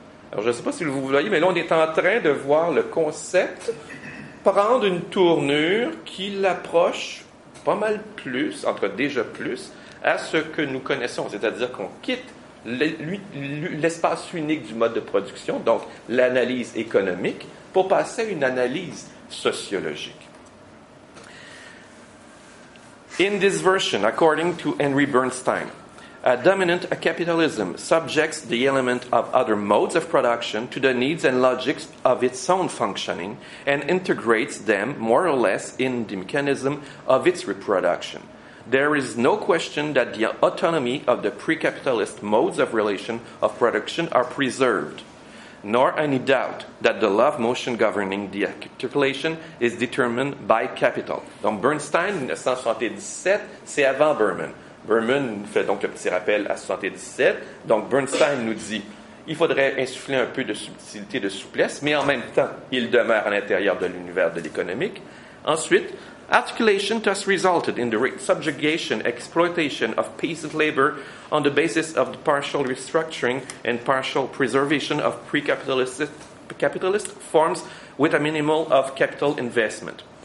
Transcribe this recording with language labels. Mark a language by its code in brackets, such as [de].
[fr] Alors, je ne sais pas si vous voyez, mais là, on est en train de voir le concept prendre une tournure qui l'approche pas mal plus, en tout cas déjà plus, à ce que nous connaissons, c'est-à-dire qu'on quitte l'espace unique du mode de production, donc l'analyse économique, pour passer à une analyse sociologique. [en] In this version, according to Henry Bernstein, a dominant capitalism subjects the element of other modes of production to the needs and logics of its own functioning and integrates them more or less in the mechanism of its reproduction. There is no question that the autonomy of the pre-capitalist modes of relation of production are preserved, nor any doubt that the law of motion governing the articulation is determined by capital. [fr] Donc Bernstein, 1977, c'est avant Berman. Berman fait donc le petit rappel à 77. Donc Bernstein nous dit, il faudrait insuffler un peu de subtilité, de souplesse, mais en même temps, il demeure à l'intérieur de l'univers de l'économique. Ensuite, [en] Articulation thus resulted in the subjugation, exploitation of peasant labor on the basis of the partial restructuring and partial preservation of pre-capitalist forms with a minimal of capital investment.